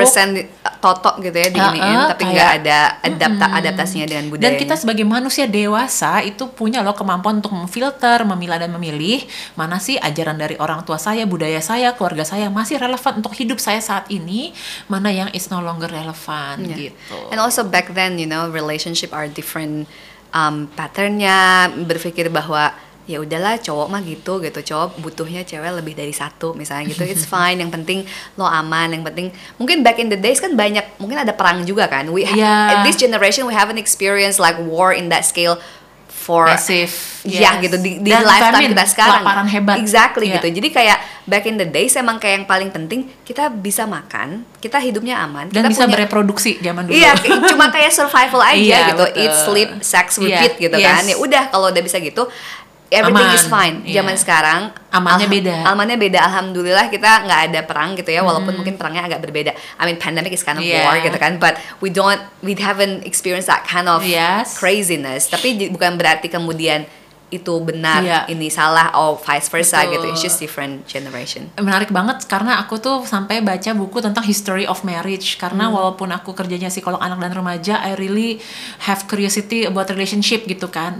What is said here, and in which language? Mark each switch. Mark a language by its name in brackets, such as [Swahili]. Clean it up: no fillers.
[Indonesian] 100% totok gitu ya, tapi nggak ada adaptasinya dengan budaya. Dan kita sebagai manusia dewasa itu punya loh kemampuan untuk memfilter, memilah dan memilih mana sih ajaran dari orang tua saya, budaya saya, keluarga saya masih relevan untuk hidup saya saat ini, mana yang [English] is no longer [Indonesian] relevan gitu. [English] And also back then, you know, relationship are different. [Indonesian] Patternnya berpikir bahwa ya udahlah cowok mah gitu gitu, cowok butuhnya cewek lebih dari satu misalnya gitu, [English] it's fine, [Indonesian] yang penting lo aman, yang penting mungkin [English] back in the days [Indonesian] kan banyak, mungkin ada perang juga kan, [English] we at this generation we haven't experienced like war in that scale for massive, [Indonesian] ya gitu di dan lifetime famine, kita sekarang laparan hebat. Exactly gitu, jadi kayak [English] back in the days [Indonesian] emang kayak yang paling penting kita bisa makan, kita hidupnya aman dan kita bisa bereproduksi zaman dulu. Iya, cuma kayak survival aja gitu, [English] eat, sleep, sex, repeat [Indonesian] gitu kan. Ya udah kalau udah bisa gitu, everything aman. [English] Is fine. [Indonesian] Zaman sekarang amannya beda. Amannya beda, alhamdulillah kita nggak ada perang gitu ya, walaupun mungkin perangnya agak berbeda. [English] I mean pandemic is kind of war [Indonesian] gitu kan, [English] but we haven't experienced that kind of craziness. [Indonesian] Tapi bukan berarti kemudian itu benar, ini salah, [English] or vice versa. Betul. Gitu, it's just different generation. [Indonesian] Menarik banget, karena aku tuh sampai baca buku tentang history of marriage, karena walaupun aku kerjanya psikolog anak dan remaja, [English] I really have curiosity about relationship [Indonesian] gitu kan.